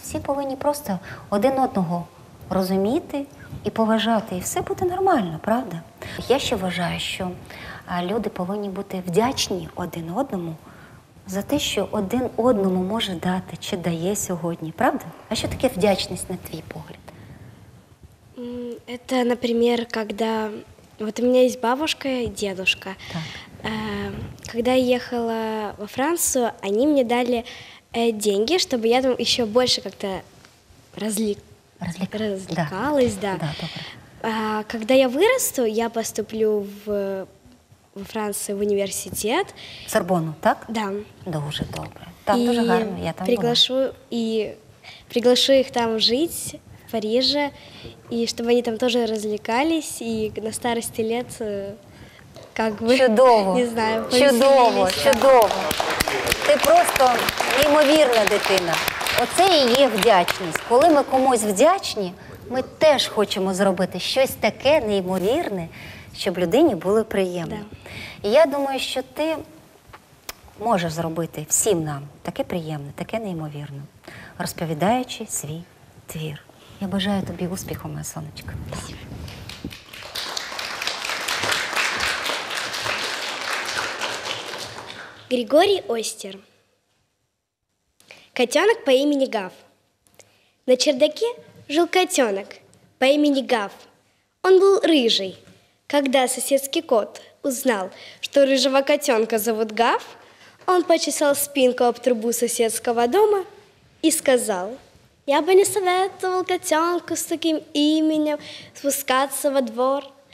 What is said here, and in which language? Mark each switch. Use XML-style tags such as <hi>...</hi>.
<uk>Всі повинні просто один одного розуміти і поважати. І все буде нормально, правда? Я ще вважаю, що люди повинні бути вдячні один одному за те, що один одному може дати чи дає сьогодні. Правда? А що таке вдячність, на твій погляд?</uk> <ru>Это, например, когда... Вот у меня есть бабушка и дедушка.</ru> <uk>Так.</uk> <ru>Когда я ехала во Францию, они мне дали деньги, чтобы я там еще больше как-то развлекалась. Да. Да. Да, когда я вырасту, я поступлю во Франции в университет. В Сорбонну, так? Да. Да, уже</ru> <uk>добре.</uk> <ru>Там тоже</ru> <uk>гарно,</uk> <ru>я там приглашу, была. И приглашу их там жить. Парижа, и чтобы они там тоже развлекались, и на старости лет, как бы,</ru> <uk>чудово.</uk> <ru>Не знаю, поселились.</ru> <uk>Чудово, чудово. Ти просто неймовірна дитина. Оце і є вдячність. Коли ми комусь вдячні, ми теж хочемо зробити щось таке неймовірне, щоб людині було приємно. Да. І я думаю, що ти можеш зробити всім нам таке приємне, таке неймовірне, розповідаючи свій твір. Я бажаю тобі успіху, моя сонечка.</uk> <ru>Григорій Остер. Котенок по</ru> <uk>імені</uk> <ru>Гав. На чердаке жил котенок по</ru> <uk>імені</uk> <ru>Гав. Он был рыжий. Когда соседский кот узнал, что рыжего котенка зовут Гав, он почесал спинку об трубу соседского дома и сказал: «Я бы не советовал котенку с таким именем спускаться во двор.</ru>